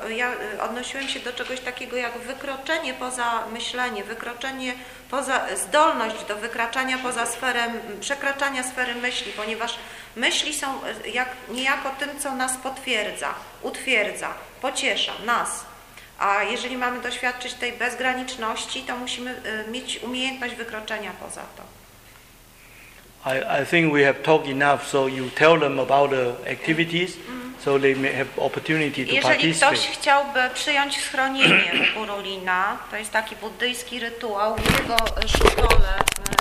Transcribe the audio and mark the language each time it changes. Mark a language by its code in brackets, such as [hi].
[pl] Ja odnosiłem się do czegoś takiego jak wykroczenie poza myślenie, wykroczenie poza zdolność do wykraczania poza sferę, przekraczania sfery myśli, ponieważ myśli są jak niejako tym, co nas potwierdza, utwierdza, pociesza nas. A jeżeli mamy doświadczyć tej bezgraniczności, to musimy mieć umiejętność wykroczenia poza to. [en] I think we have talked enough, so you tell them about the activities. So they may have opportunity to [pl] jeżeli [en] participate. [pl] Ktoś chciałby przyjąć schronienie Purulina, to jest taki buddyjski rytuał, w jego szkole.